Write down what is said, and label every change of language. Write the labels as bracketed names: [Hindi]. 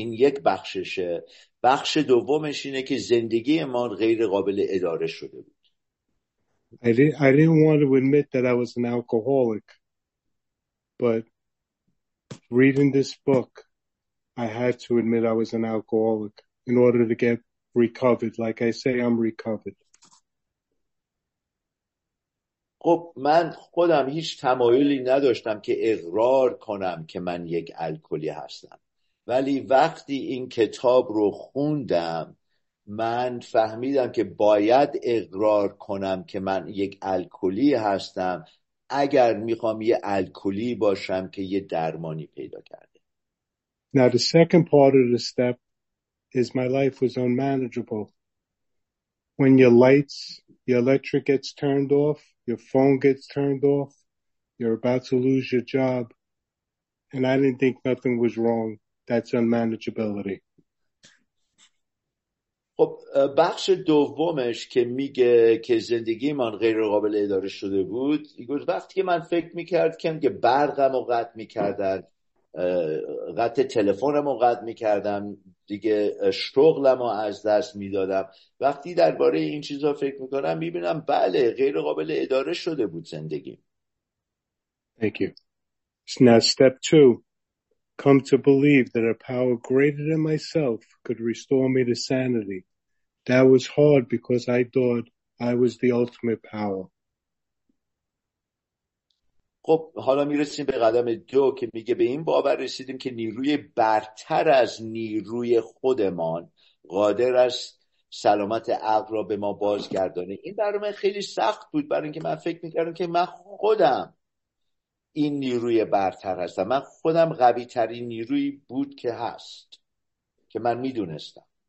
[Persian] این یک بخششه. بخش دومش اینه که زندگی ما غیر قابل اداره شده بود. [English] I didn't want to admit that I was an alcoholic, but reading this book, I had to admit I was an alcoholic in order to get recovered. Like I say, I'm recovered. [Persian] خب من خودم هیچ تمایلی نداشتم که اقرار کنم که من یک الکلی هستم. ولی وقتی این کتاب رو خوندم، من فهمیدم که باید اقرار کنم که من یک الکلی هستم اگر میخوام یه الکلی باشم که یه درمانی پیدا کرده. [English] Now the second part of the step is my life was unmanageable. when your lights, your electric gets turned off, your phone gets turned off, you're about to lose your job. And I didn't think nothing was wrong. That's unmanageability. [Persian] خب بخش دومش که میگه که زندگی من غیر قابل اداره شده بود، گفت وقتی که من فکر میکرد که برقم رو قطع میکردن، قطع تلفنم رو قطع میکردم، دیگه شغلم رو از دست میدادم، وقتی درباره این چیزا فکر میکنم میبینم بله غیر قابل اداره شده بود زندگی. [English] Thank you. So now step two. Come to believe that a power greater than myself could restore me to sanity. That was hard because I thought I was the ultimate power. [Persian] خب حالا میرسیم به قدم دو که میگه به این باور رسیدیم که نیروی برتر از نیروی خودمان قادر است سلامت عقل را به ما بازگردانه. این برای من خیلی سخت بود، برای اینکه من فکر میکردم که من خودم این نیروی برتر هستم، من خودم قوی ترین نیروی بود که هست که من میدونستم.